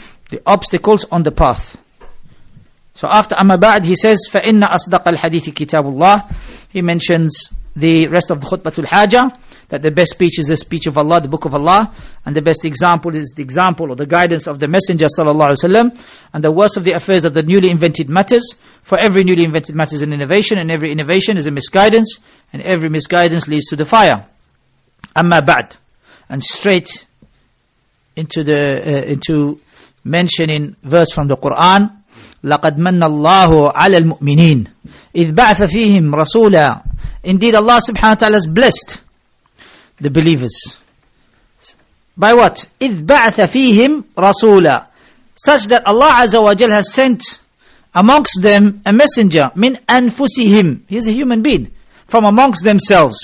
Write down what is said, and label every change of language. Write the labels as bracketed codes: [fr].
[en] The obstacles on the path. So after Amma Ba'd, he says, [ar] فَإِنَّ أَصْدَقَ الْحَدِيثِ كِتَابُ اللَّهِ. [en] He mentions the rest of the khutbatul haja, that the best speech is the speech of Allah, the book of Allah, and the best example is the example or the guidance of the Messenger sallallahu alaihi wasallam, and the worst of the affairs are the newly invented matters, for every newly invented matter is an innovation, and every innovation is a misguidance, and every misguidance leads to the fire. Amma Ba'd. And straight into mentioning verse from the Qur'an, [ar] لَقَدْ مَنَّ اللَّهُ عَلَى الْمُؤْمِنِينَ إِذْ بَعْثَ فِيهِمْ رَسُولًا. [en] Indeed, Allah subhanahu wa ta'ala has blessed the believers. By what? [ar] إِذْ بَعْثَ فِيهِمْ رَسُولًا. [en] Such that Allah Azza wa Jal has sent amongst them a messenger. [ar] مِنْ أَنْفُسِهِمْ. [en] He is a human being. From amongst themselves.